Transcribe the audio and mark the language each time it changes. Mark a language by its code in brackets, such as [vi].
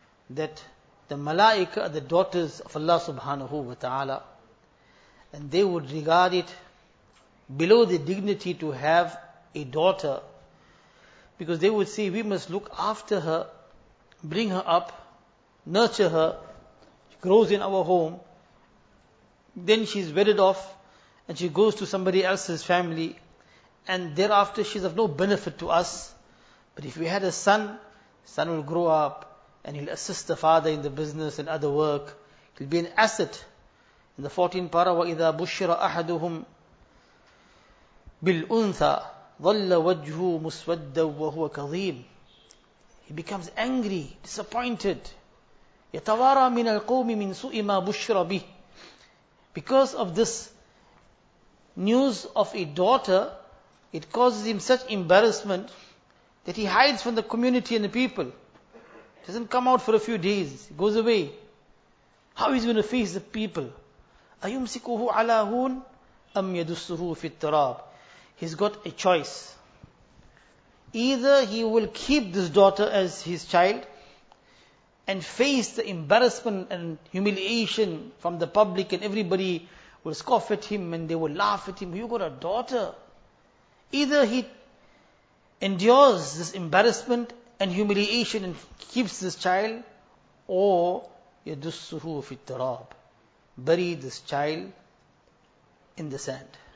[en] that the malaika are the daughters of Allah subhanahu wa ta'ala, and they would regard it below the dignity to have a daughter, because they would say, we must look after her, bring her up, nurture her, she grows in our home, then she's wedded off and she goes to somebody else's family, and thereafter she's of no benefit to us. But if we had a son, son will grow up and he'll assist the father in the business and other work, he'll be an asset. In the 14th para, [ar] وَإِذَا بُشِّرَ أَحَدُهُمْ بِالْأُنْثَى ظَلَّ وَجْهُ مُسْوَدَّ وَهُوَ كَظِيمٌ. [en] He becomes angry, disappointed. [ar] يَتَوَارَى مِنَ الْقَوْمِ مِنْ سُؤِ مَا بُشْرَ بِهِ. [en] Because of this news of a daughter, it causes him such embarrassment that he hides from the community and the people. Doesn't come out for a few days, goes away. How is he going to face the people? [ar] أَيُمْسِكُهُ عَلَى هُونَ أَمْ يَدُسُّهُ فِي التَّرَابِ. [en] He's got a choice. Either he will keep this daughter as his child and face the embarrassment and humiliation from the public, and everybody will scoff at him and they will laugh at him. You got a daughter. Either he endures this embarrassment and humiliation and keeps this child, or [ar] يَدُسُّهُ فِي التَّرَابِ, [en] bury this child in the sand.